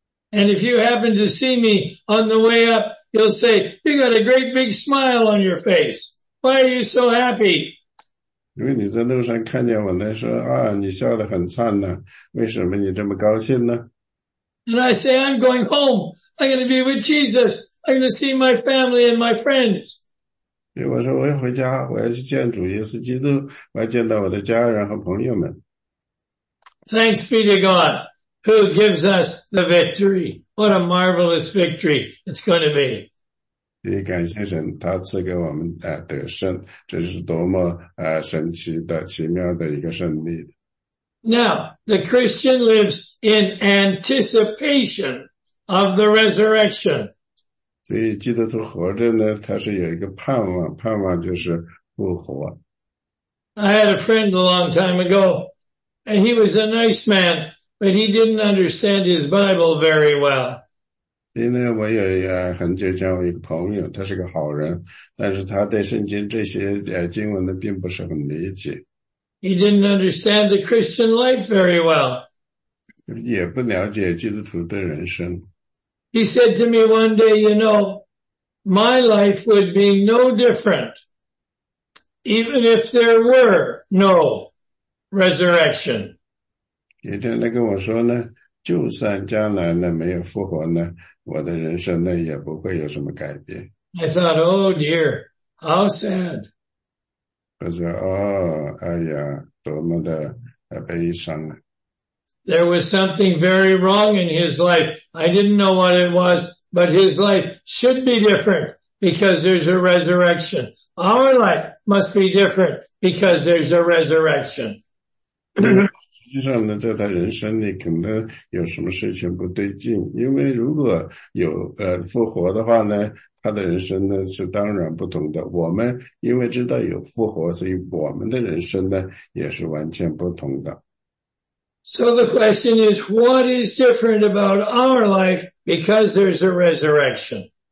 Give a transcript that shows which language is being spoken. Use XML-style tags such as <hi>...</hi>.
<en>And if you happen to see me on the way up,You'll say, you got a great big smile on your face. Why are you so happy?</en> <zh>因为你在路上看见我呢，说啊，你笑得很灿烂，为什么你这么高兴呢？</zh> <en>And I say, I'm going home. I'm going to be with Jesus. I'm going to see my family and my friends.</en> <zh>因为我说我要回家，我要去见主耶稣基督，我要见到我的家人和朋友们。</zh> <en>Thanks be to God. Who gives us the victory? What a marvelous victory it's going to be.</en> <zh>也感谢神，他赐给我们得胜，这是多么神奇的、奇妙的一个胜利。</zh> <en>Now, the Christian lives in anticipation of the resurrection.</en> <zh>所以基督徒活着呢，他是有一个盼望，盼望就是复活。</zh> <en>I had a friend a long time ago, and he was a nice man. But he didn't understand his Bible very well.</en> <zh>因为我也很久交一个朋友，他是个好人，但是他对圣经这些经文呢，并不是很理解。</zh> <en>He didn't understand the Christian life very well.</en> <zh>也不了解基督徒的人生。</zh> <en>He said to me one day, you know, my life would be no different, even if there were no resurrection.</en> <zh>有天他跟我说呢，就算将来呢没有复活呢，我的人生呢也不会有什么改变。</zh> <en>I thought, oh dear, how sad.</en> <zh>我说，哦，哎呀，多么的悲伤啊。</zh> <en>There was something very wrong in his life. I didn't know what it was, but his life should be different because there's a resurrection. Our life must be different because there's a resurrection.</en> <zh>实际上呢，在他人生里可能有什么事情不对劲，因为如果有复活的话呢，他的人生呢是当然不同的。我们因为知道有复活，所以我们的人生呢也是完全不同的。</zh> <en>So the question is, what is different about our life because there's a resurrection?</en>